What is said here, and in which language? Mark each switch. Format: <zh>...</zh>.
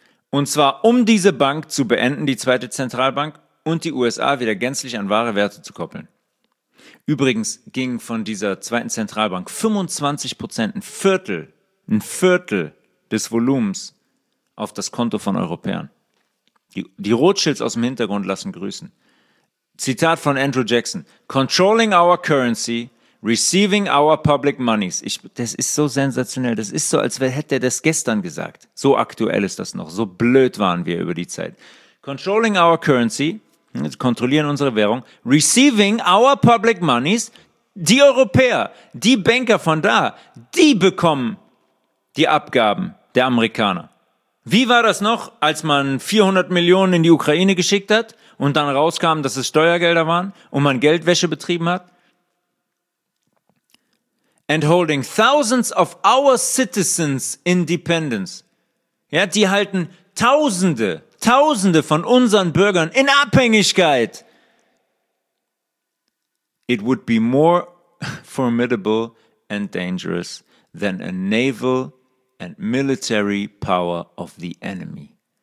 <de>Und zwar, um diese Bank zu beenden, die zweite Zentralbank, und die USA wieder gänzlich an wahre Werte zu koppeln. Übrigens gingen von dieser zweiten Zentralbank 25%, ein Viertel des Volumens auf das Konto von Europäern. Die Rothschilds aus dem Hintergrund lassen grüßen. Zitat von Andrew Jackson.</de> <en>Controlling our currency, receiving our public monies.</en> <de>Das ist so sensationell. Das ist so, als hätte er das gestern gesagt. So aktuell ist das noch. So blöd waren wir über die Zeit.</de> <en>Controlling our currency,</en> <de>kontrollieren unsere Währung,</de> <en>receiving our public monies,</en> <de>die Europäer, die Banker von da, die bekommen die Abgaben der Amerikaner. Wie war das noch, als man 400 Millionen in die Ukraine geschickt hat und dann rauskam, dass es Steuergelder waren und man Geldwäsche betrieben hat?</de> <en>And holding thousands of our citizens in dependence.</en> <de>Ja, die halten Tausende von unseren Bürgern in Abhängigkeit.</de> <en>It would be more formidable and dangerous than a naval and military power of the enemy.</en>